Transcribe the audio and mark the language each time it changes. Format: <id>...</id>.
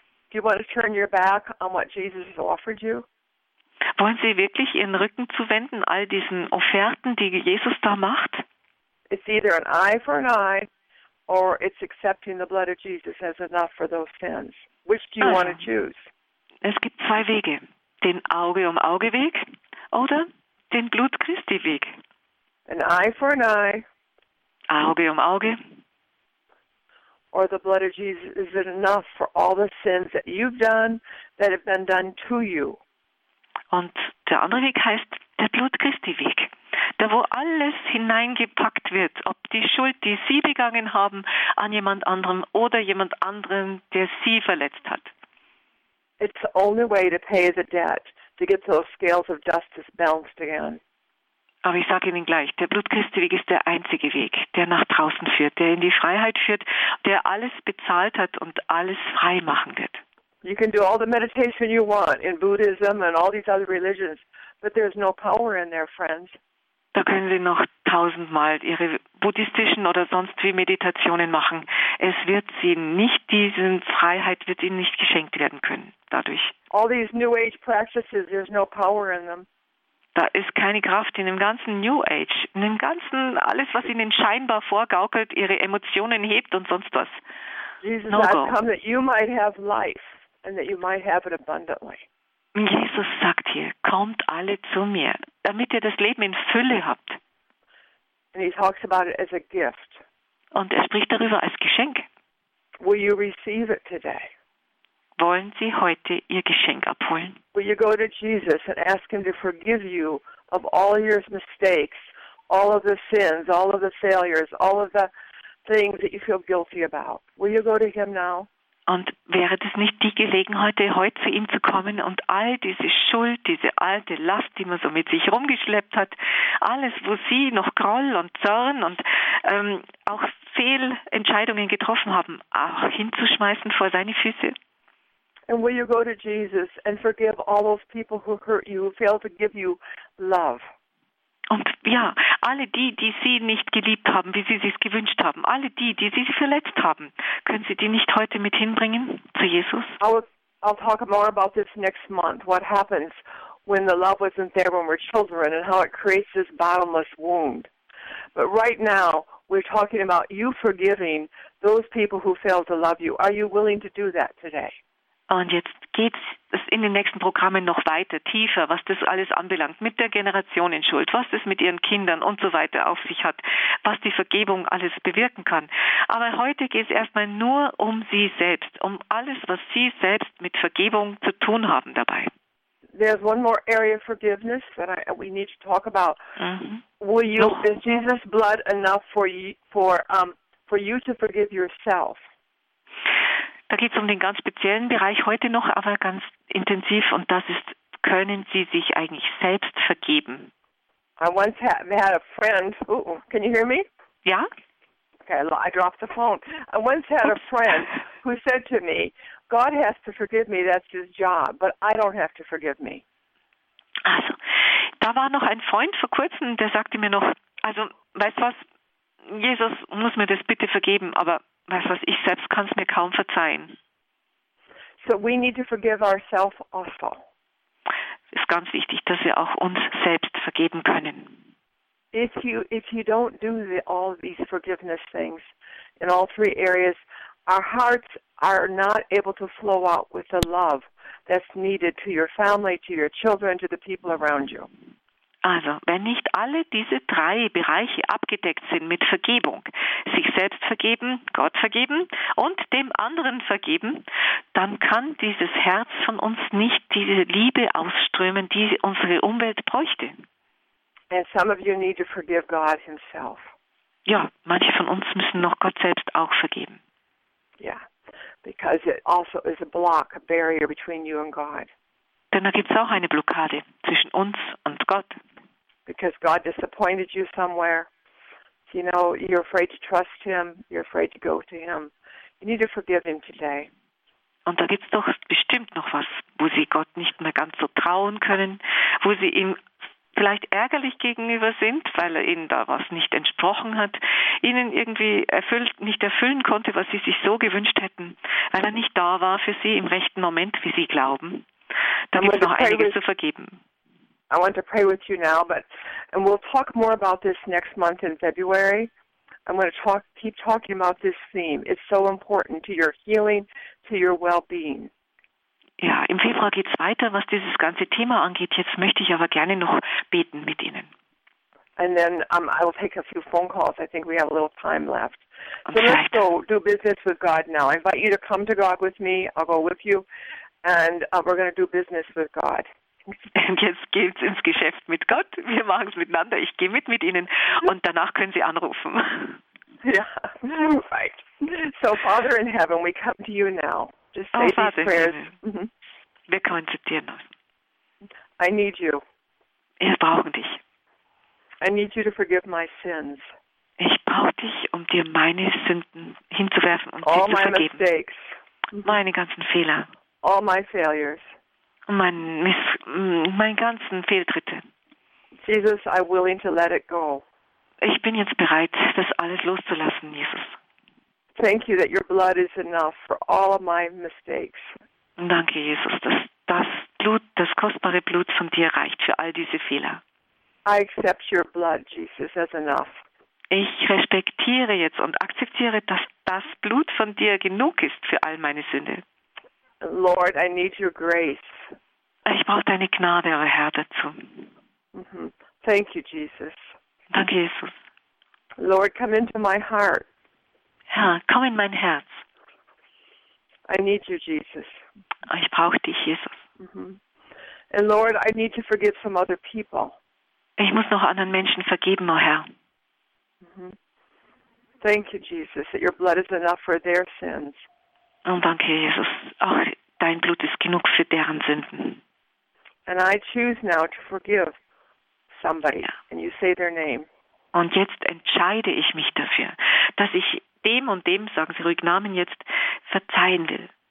<en>Do you want to turn your back on what Jesus has offered you?</en> <de>Wollen Sie wirklich Ihren Rücken zuwenden all diesen Offerten, die Jesus da macht?</de> <en>It's either an eye for an eye, or it's accepting the blood of Jesus as enough for those sins. Which do you want to choose?</en> <de>Es gibt zwei Wege: den Auge um Auge Weg oder den Blut Christi Weg.</de> <en>An eye for an eye.</en> <de>Auge um Auge.</de> <en>Or the blood of Jesus, is it enough for all the sins that you've done that have been done to you?</en> <de>Und der andere Weg heißt der Blut Christi Weg. Da, wo alles hineingepackt wird, ob die Schuld, die Sie begangen haben, an jemand anderem oder jemand anderen, der Sie verletzt hat.</de> <en>It's the only way to pay the debt, to get those scales of justice balanced again.</en> <de>Aber ich sage Ihnen gleich, der Blut Christi Weg ist der einzige Weg, der nach draußen führt, der in die Freiheit führt, der alles bezahlt hat und alles frei machen wird.</de> <en>You can do all the meditation you want in Buddhism and all these other religions, but there's no power in there, friends.</en> <de>Da können Sie noch tausendmal Ihre buddhistischen oder sonst wie Meditationen machen. Es wird Sie nicht, diese Freiheit wird Ihnen nicht geschenkt werden können dadurch.</de> <en>All these New Age practices, there's no power in them.</en> <de>Da ist keine Kraft in dem ganzen New Age, in dem ganzen, alles, was Ihnen scheinbar vorgaukelt, Ihre Emotionen hebt und sonst was.</de> <en>Jesus, no, I've come that you might have life and that you might have it abundantly.</en> <de>Jesus sagt hier, kommt alle zu mir, damit ihr das Leben in Fülle habt.</de> <en>And he talks about it as a gift.</en> <de>Und er spricht darüber als Geschenk.</de> <en>Will you receive it today?</en> <de>Wollen Sie heute Ihr Geschenk abholen?</de> <en>Will you go to Jesus and ask him to forgive you of all your mistakes, all of the sins, all of the failures, all of the things that you feel guilty about? Will you go to him now?</en> <de>Und wäre das nicht die Gelegenheit, heute zu ihm zu kommen und all diese Schuld, diese alte Last, die man so mit sich rumgeschleppt hat, alles, wo Sie noch Groll und Zorn und auch Fehlentscheidungen getroffen haben, auch hinzuschmeißen vor seine Füße?</de> <en>And will you go to Jesus and forgive all those people who hurt you, who failed to give you love?</en> <de>Und ja, alle die, die Sie nicht geliebt haben, wie Sie es sich gewünscht haben, alle die, die Sie verletzt haben, können Sie die nicht heute mit hinbringen zu Jesus?</de> <en>I'll talk more about this next month, what happens when the love wasn't there when we're children and how it creates this bottomless wound. But right now, we're talking about you forgiving those people who failed to love you. Are you willing to do that today?</en> <de>Und jetzt geht es in den nächsten Programmen noch weiter, tiefer, was das alles anbelangt, mit der Generationenschuld, was das mit ihren Kindern und so weiter auf sich hat, was die Vergebung alles bewirken kann. Aber heute geht es erstmal nur um Sie selbst, um alles, was Sie selbst mit Vergebung zu tun haben dabei.</de> <en>There's one more area of forgiveness that we need to talk about. Mm-hmm. Will you, is Jesus' blood enough for you to forgive yourself?</en> <de>Da geht es um den ganz speziellen Bereich heute noch, aber ganz intensiv, und das ist, können Sie sich eigentlich selbst vergeben?</de> <en>I once had a friend, can you hear me?</en> <de>Ja.</de> <en>Okay, I dropped the phone. I once had a friend who said to me, God has to forgive me, that's his job, but I don't have to forgive me.</en> <de>Also, da war noch ein Freund vor kurzem, der sagte mir noch, also, weißt du was, Jesus muss mir das bitte vergeben, aber weißt du was, ich selbst kann es mir kaum verzeihen.</de> <en>So we need to forgive ourselves also.</en> <de>Es ist ganz wichtig, dass wir auch uns selbst vergeben können.</de> <en>If you don't do all these forgiveness things in all three areas, our hearts are not able to flow out with the love that's needed to your family, to your children, to the people around you.</en> <de>Also, wenn nicht alle diese drei Bereiche abgedeckt sind mit Vergebung, sich selbst vergeben, Gott vergeben und dem anderen vergeben, dann kann dieses Herz von uns nicht diese Liebe ausströmen, die unsere Umwelt bräuchte.</de> <en>And some of you need to forgive God himself.</en> <de>Ja, manche von uns müssen noch Gott selbst auch vergeben.</de> <en>Ja, because it also is a block, a barrier between you and God.</en> <de>Denn da gibt es auch eine Blockade zwischen uns und Gott.</de> <en>Because God disappointed you somewhere. You know, you're afraid to trust him. You're afraid to go to him. You need to forgive him today.</en> <de>Und da gibt es doch bestimmt noch was, wo sie Gott nicht mehr ganz so trauen können, wo sie ihm vielleicht ärgerlich gegenüber sind, weil er ihnen da was nicht entsprochen hat, ihnen irgendwie nicht erfüllen konnte, was sie sich so gewünscht hätten, weil er nicht da war für sie im rechten Moment, wie sie glauben. Da gibt es noch einiges zu vergeben.</de> <en>I want to pray with you now, but and we'll talk more about this next month in February. I'm going to keep talking about this theme. It's so important to your healing, to your well-being.</en> <de>Ja, im Februar geht's weiter, was dieses ganze Thema angeht. Jetzt möchte ich aber gerne noch beten mit Ihnen.</de> <en>And then I will take a few phone calls. I think we have a little time left. So okay. Let's go do business with God now. I invite you to come to God with me. I'll go with you. And we're going to do business with God.</en> <de>Und jetzt geht's ins Geschäft mit Gott. Wir machen es miteinander. Ich gehe mit Ihnen. Und danach können Sie anrufen.</de> <en>Ja, yeah. Right. So, Father in Heaven, we come to you now. Just say these prayers.</en> <de>Wir kommen zu dir noch.</de> <en>I need you.</en> <de>Wir brauchen dich.</de> <en>I need you to forgive my sins.</en> <de>Ich brauche dich, um dir meine Sünden hinzuwerfen und</de> <en>all</en> <de>sie zu vergeben.</de> <en>All my mistakes.</en> <de>Meine ganzen Fehler.</de> <en>All my failures.</en> <de>Mein ganzen Fehltritte.</de> <en>Jesus, I'm willing to let it go.</en> <de>Ich bin jetzt bereit, das alles loszulassen, Jesus.</de> <en>Thank you that your blood is enough for all of my mistakes.</en> <de>Danke, Jesus, dass das Blut, das kostbare Blut von dir reicht für all diese Fehler.</de> <en>I accept your blood, Jesus, as enough.</en> <de>Ich respektiere jetzt und akzeptiere, dass das Blut von dir genug ist für all meine Sünde.</de> <en>Lord, I need your grace.</en> <de>Ich brauche deine Gnade, euer Herr, dazu.</de> <en>Thank you, Jesus.</en> <de>Danke, Jesus.</de> <en>Lord, come into my heart.</en> <de>Herr, komm in mein Herz.</de> <en>I need you, Jesus.</en> <de>Ich brauche dich, Jesus.</de> <en>And Lord, I need to forgive some other people.</en> <de>Ich muss noch anderen Menschen vergeben, oh Herr.</de> <en>Thank you, Jesus, that your blood is enough for their sins.</en> <de>Und danke, Jesus. Auch dein Blut ist genug für deren Sünden.</de> <en>And I choose now to forgive somebody. And you say their name.</en> <de>Und jetzt entscheide ich mich dafür, dass ich dem und dem, sagen Sie ruhig Namen jetzt, verzeihen will.</de>